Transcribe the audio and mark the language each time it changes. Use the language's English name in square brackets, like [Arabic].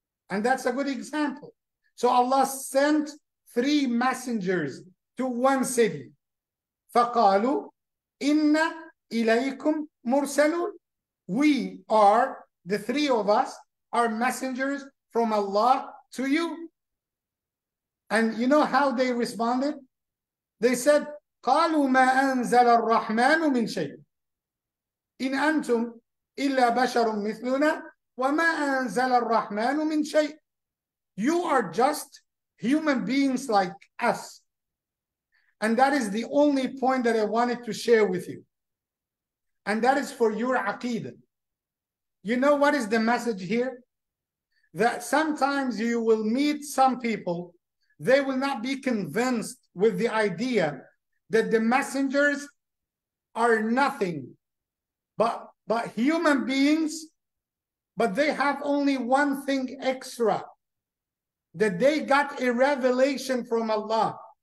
[English] And that's a good example. So Allah sent three messengers to one city. [Arabic] فَقَالُوا إِنَّ إِلَيْكُمْ مُرْسَلُونَ. [English] We are, the three of us, are messengers from Allah to you. And you know how they responded? They said, [Arabic] قَالُوا مَا أَنزَلَ الرَّحْمَنُ مِنْ شَيْءٍ إِنْ أَنْتُمْ إِلَّا بَشَرٌ مِثْلُنَا وَمَا أَنزَلَ الرَّحْمَنُ مِنْ شَيْءٍ. [English] You are just human beings like us. And that is the only point that I wanted to share with you. And that is for your aqeedah. You know what is the message here? That sometimes you will meet some people, they will not be convinced with the idea that the messengers are nothing but human beings, but they have only one thing extra, that they got a revelation from Allah.